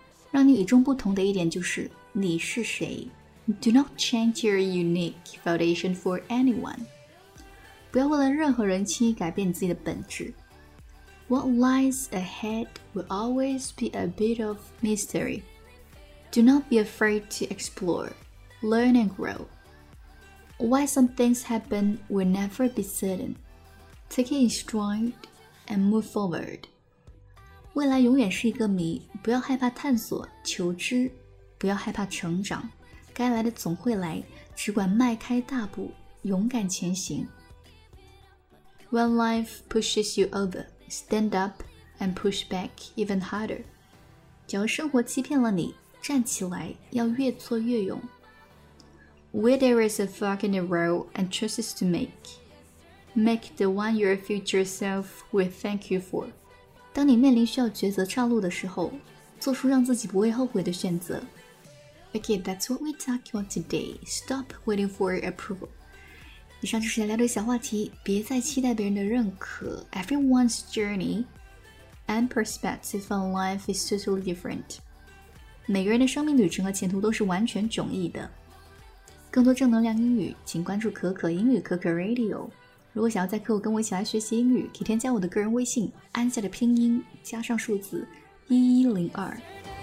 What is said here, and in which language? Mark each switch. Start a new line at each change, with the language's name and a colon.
Chinese: 让你与众不同的一点就是你是谁。
English: Do not change your unique foundation for anyone.
Chinese: 不要为了任何人轻易改变自己的本质。
English: What lies ahead will always be a bit of mystery. Do not be afraid to explore. Learn and grow. Why some things happen will never be certain. Take it in stride and move forward.
Chinese: 未来永远是一个谜，不要害怕探索、求知，不要害怕成长。该来的总会来，只管迈开大步，勇敢前行。
English: When life pushes you over, stand up and push back even harder.
Chinese: 假如生活欺骗了你，站起来，要越挫越勇。
English: Where there is a fork in the road and choices to make, make the one your future self will thank you for.
Chinese: 当你面临需要抉择岔路的时候，做出让自己不会后悔的选择。
English: Okay, that's what we talk about today. Stop waiting for your approval.
Chinese: 以上就是今天的小话题，别再期待别人的认可。
English: Everyone's journey and perspective on life is totally different.
Chinese: 每个人的生命旅程和前途都是完全迥异的。更多正能量英语，请关注可可英语可可 Radio。如果想要在课后跟我一起来学习英语，可以添加我的个人微信，安夏的拼音加上数字1102。